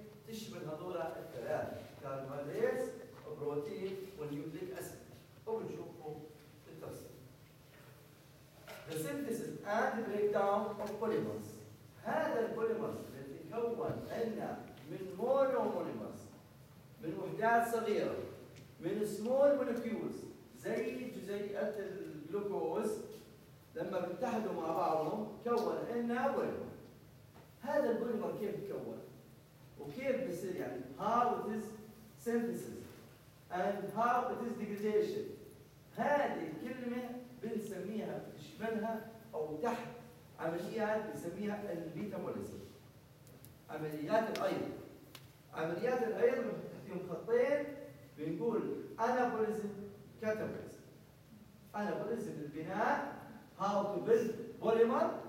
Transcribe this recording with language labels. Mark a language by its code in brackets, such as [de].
[ar] تشمل هذول الثلاث كاربوهيدرات واليوم للأسف أو نشوفه بالتفصيل. [en] The synthesis and breakdown of polymers. [ar] هذا البوليمر الذي تكون لنا من مونو بوليمرز، من وحدات صغيرة، من سمول مولكيولز زي جزيئات الجلوكوز، لما بيتحدوا مع بعضهم كون لنا بوليمر. هذا البوليمر كيف تكون؟ وكيف بصير يعني [en] how it is synthesis and how it is degradation. [ar] هذه الكلمة بنسميها تشملها أو تحت عمليات بنسميها الميتابوليزم، عمليات الأيض. عمليات الأيض فيهم خطين، بنقول أنابوليزم كاتابوليزم. أنابوليزم البناء، [en] how to build polymer.